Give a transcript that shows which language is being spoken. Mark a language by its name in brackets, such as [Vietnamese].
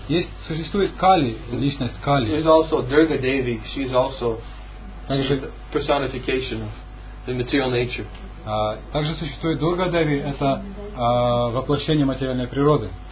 [Russian] Есть, существует Кали, личность Кали. [English] There is also Durga Devi. She is also the personification of the material nature. [Russian] Также существует Дурга Деви, это воплощение материальной природы.